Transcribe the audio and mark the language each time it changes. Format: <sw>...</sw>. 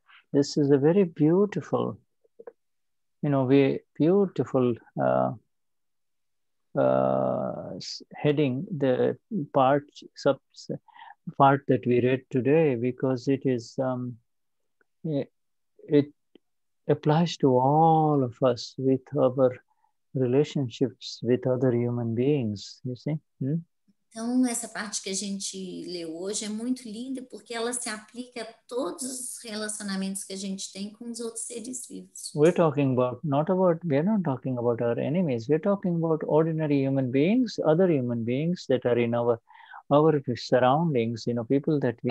<en>This is a very beautiful, you know, very beautiful heading, the part, sub part that we read today, because it is it applies to all of us with our relationships with other human beings, you see?</en> <pt>Então, essa parte que a gente leu hoje é muito linda porque ela se aplica a todos os relacionamentos que a gente tem com os outros seres vivos.</pt> <en>We're talking about, we're not talking about our enemies. We're talking about ordinary human beings, other human beings that are in our surroundings, you know, people that we</en>